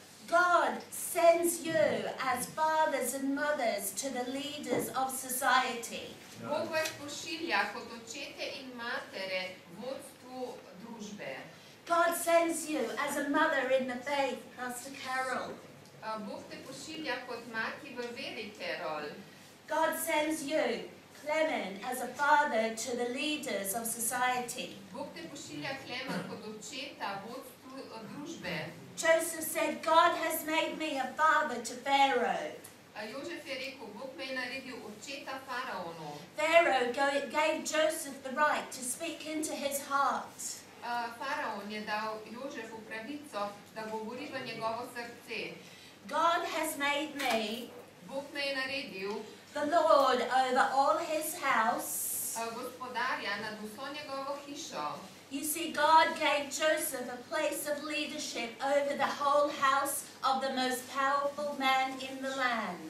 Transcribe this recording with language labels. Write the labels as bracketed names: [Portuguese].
[English] God sends you as fathers and mothers to the leaders of society. [Slovenian] Bog vas pošilja kot očete in matere vodstvu družbe. [English] God sends you as a mother in the faith, Pastor Carol. [Slovenian] Bog te pošilja kot mati v veri, Carol. [English] God sends you, Clement, as a father to the leaders of society. [Slovenian] Bog te pošilja Clement kot očeta vodstvu družbe. [English] Joseph said, God has made me a father to Pharaoh. [Slovenian] Jožef je rekel, Bog me je naredil očeta faraonu. [English] Pharaoh gave Joseph the right to speak into his heart. [Slovenian] Faraon je dal Jožefu pravico, da govori v njegovo srce. [English] God has made me, [Slovenian] Bog me je naredil, [English] the Lord over all his house. [Slovenian] Gospodarja nad vso njegovo hišo. [English] You see, God gave Joseph a place of leadership over the whole house of the most powerful man in the land.